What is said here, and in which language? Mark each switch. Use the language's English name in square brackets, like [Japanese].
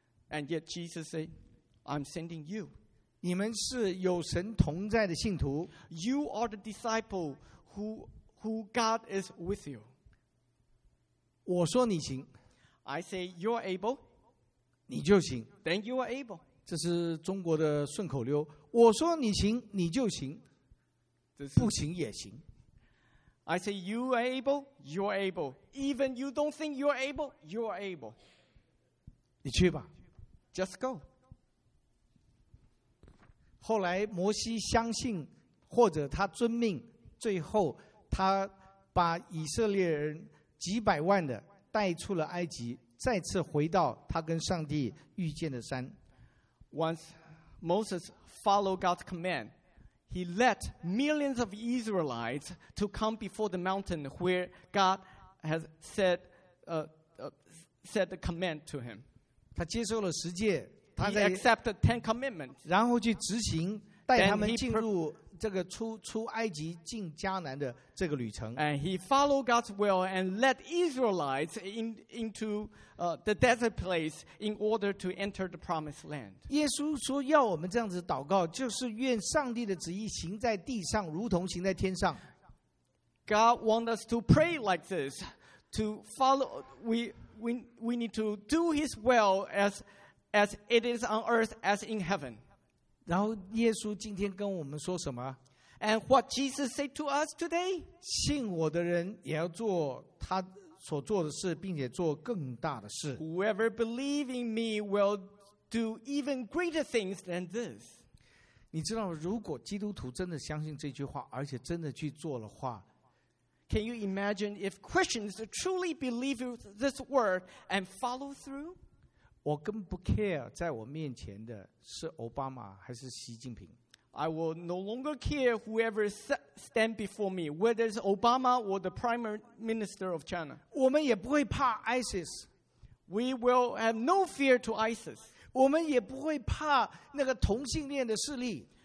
[English] And yet Jesus say, I'm sending you. [Chinese] 你们是有神同在的信徒。 [English] You are the disciple who God is with you. [Chinese] 我说你行。 [English] I say, you're able. [Chinese] 你就行。 [English] Then you are able. [Chinese] 这是中国的顺口溜。我说你行，你就行。不行也行。 [English] I say you are able, you are able. Even you don't think you are able, you are able. [Chinese] 你去吧。 [English] Just go. [Chinese] 后来摩西相信，或者他遵命，最后他把以色列人几百万的带出了埃及。再次回到他跟上帝遇见的山。 [English] Once Moses followed God's command, he led millions of Israelites to come before the mountain where God has said the command to him. [Chinese] 他接受了十诫，他在 [English] he accepted ten commandments. [Chinese] 然后去执行，带他们进入这个出埃及进迦南的这个旅程。 [English] And he followed God's will and led Israelites into the desert place in order to enter the promised land. [Chinese] 耶稣说要我们这样子祷告，就是愿上帝的旨意行在地上，如同行在天上。 [English] God wants us to pray like this, to follow. We need to do His will as it is on earth as in heaven. [Chinese] 然后耶稣今天跟我们说什么 [English] ？And what Jesus said to us today? [Chinese] 信我的人也要做他所做的事，并且做更大的事。 [English] Whoever believes in me will do even greater things than this. [Chinese] 你知道，如果基督徒真的相信这句话，而且真的去做的话 [English] ，Can you imagine if Christians truly believe this word and follow through? [Chinese] 我根本不 care 在我面前的是奥巴马还是习近平。 [English] I will no longer care whoever stand before me, whether it's Obama or the Prime Minister of China. [Chinese] 我们也不会怕 ISIS. [English] We will have no fear to ISIS. [Chinese] 我们也不会怕那个同性恋的势力.